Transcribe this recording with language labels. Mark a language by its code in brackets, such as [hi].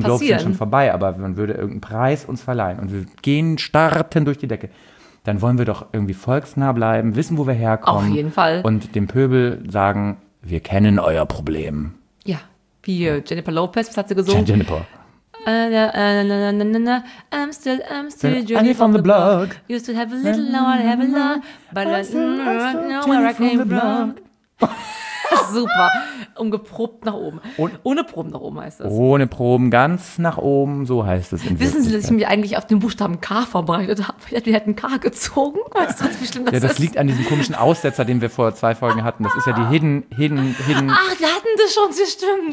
[de] passieren. Globes sind schon vorbei, aber man würde irgendeinen Preis uns verleihen und wir gehen, starten durch die Decke. Dann wollen wir doch irgendwie volksnah bleiben, wissen, wo wir herkommen. Auf jeden Fall. Und dem Pöbel sagen, wir kennen euer Problem. Ja, wie Jennifer Lopez, was hat sie gesungen? Jennifer. [en] I'm still Jenny from the block. You still have a little, now I have a lot. But I still know where I came from. [de] Super. Umgeprobt nach oben. Ohne Proben nach oben heißt das. Ohne Proben, ganz nach oben, so heißt es. Wissen Sie, dass ich mich eigentlich auf den Buchstaben K vorbereitet habe? Vielleicht hätten K gezogen. Weißt du, wie schlimm das ist? Ja, das liegt an diesem komischen Aussetzer, den wir vor zwei Folgen hatten. Das ist ja die Hidden. Ach, wir hatten das schon, das stimmt.